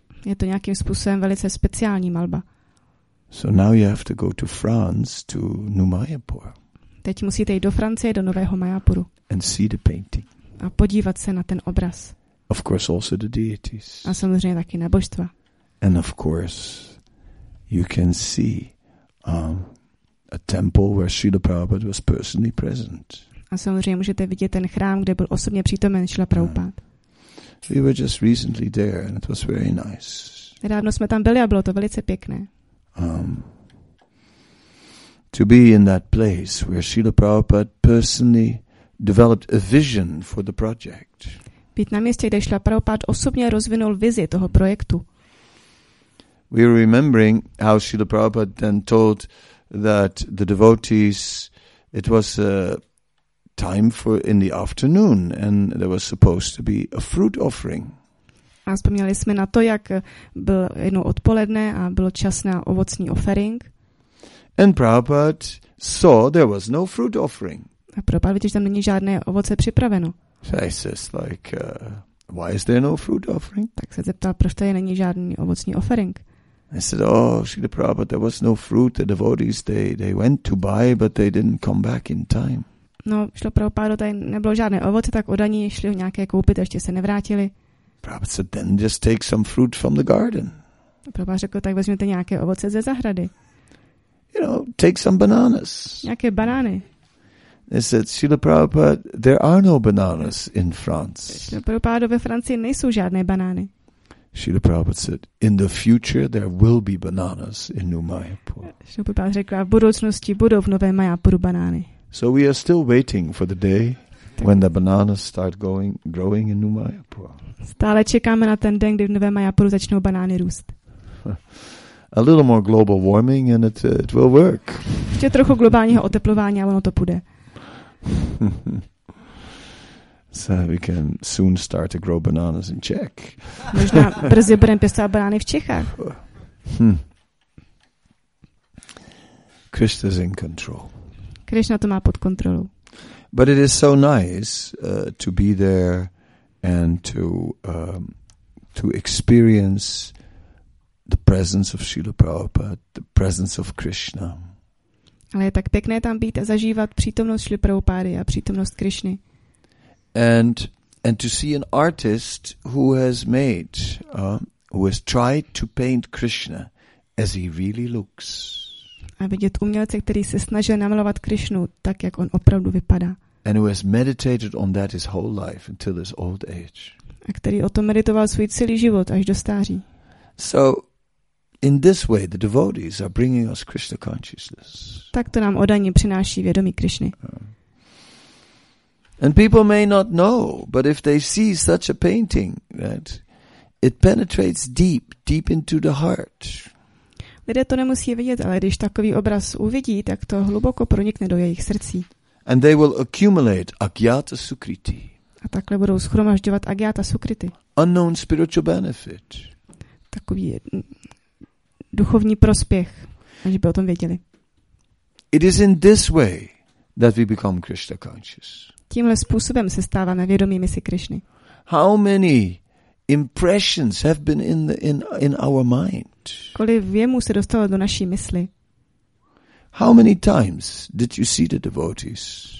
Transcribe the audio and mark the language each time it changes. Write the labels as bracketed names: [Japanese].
[Czech] Je to nějakým způsobem velice speciální malba. [English] So now you have to go to France to Noumayapur. [Czech] Teď musíte jít do Francie do Nového Majapuru. [English] And see the painting. [Czech] A podívat se na ten obraz. [English] Of course also the deities. [Czech] A samozřejmě taky na božstva. [English] And of course you can see a temple where Srila Prabhupada was personally present. [Czech] A samozřejmě můžete vidět ten chrám, kde byl osobně přítomen Srila Prabhupada. [English] We were just recently there and it was very nice. [Czech] Nedávno jsme tam byli a bylo to velice pěkné. [English] To be in that place where Srila Prabhupada personally developed a vision for the project. [Czech] Být na místě, kde Srila Prabhupada osobně rozvinul vizi toho projektu. [English] We are remembering how Srila Prabhupada then told that the devotees, it was a time for in the afternoon and there was supposed to be a fruit offering. [Czech] A vzpomněli jsme na to, jak byl jednou odpoledne a bylo čas na ovocný offering. [English] And Prabhupada saw there was no fruit offering. [Czech] A Prabhupada viděl, že tam není žádné ovoce připraveno. [English] So he says like, why is there no fruit offering? [Czech] Tak se zeptal, proč tady není žádný ovocný offering. [English] I said, oh, Srila Prabhupada, there was no fruit. The devotees, they went to buy, but they didn't come back in time. [Czech] No, Srila Prabhupada, tady nebylo žádné ovoce, tak odaní šli ho nějaké koupit a ještě se nevrátili. [English] Prabhupada said, then just take some fruit from the garden. [Czech] Prabhupada řekl, tak vezměte nějaké ovoce ze zahrady. [English] You know, take some bananas. [Czech] Nějaké banány. [English] They said, Srila Prabhupada, there are no bananas in France. [Czech] Srila Prabhupada, ve Francii nejsou žádné banány. [English] Srila Prabhupada said, in the future there will be bananas in New Mayapur. [Czech] Srila Prabhupada řekl, v budoucnosti budou v Novém Mayapuru banány. [English] So we are still waiting for the day when the bananas start growing in New Mayapur. [Czech] Stále čekáme na ten den, kdy v Novém Mayapuru začnou banány růst. [English] A little more global warming and it will work. [Czech] Ještě trochu globálního oteplování a ono to půjde. [English] So we can soon start to grow bananas in Czech. [Czech] Možná brzy budeme pěstovat banány v Čechách. [English] Krishna is in control. [Czech] Krishna to má pod kontrolou. [English] But it is so nice to be there and to experience the presence of Srila Prabhupada, the presence of Krishna. [Czech] Ale je tak pěkné tam být a zažívat přítomnost Srila Prabhupády a přítomnost Krishny. [English] And to see an artist who has made who has tried to paint Krishna as he really looks. [Czech] A vidět umělce, který se snažil namalovat Krishnu tak, jak on opravdu vypadá. [English] And who has meditated on that his whole life until his old age. [Czech] A který o tom meditoval svůj celý život až do stáří. [English] So in this way the devotees are bringing us Krishna consciousness. [Czech] Tak to nám odaní přináší vědomí Krishny. [English] And people may not know, but if they see such a painting, right, it penetrates deep into the heart. [Czech] Lidé to nemusí vidět, ale když takový obraz uvidí, tak to hluboko pronikne do jejich srdcí. [English] And they will accumulate agyata sukriti. [Czech] A takhle budou shromažďovat agyata sukriti. [English] Unknown spiritual benefit. [Czech] Takový duchovní prospěch, aniž by o tom věděli. [English] It is in this way that we become Krishna conscious. [Czech] Tímhle způsobem se stáváme vědomými si Krishny. [English] How many impressions have been in our mind? [Czech] Kolik vjemů se dostalo do naší mysli? [English] How many times did you see the devotees?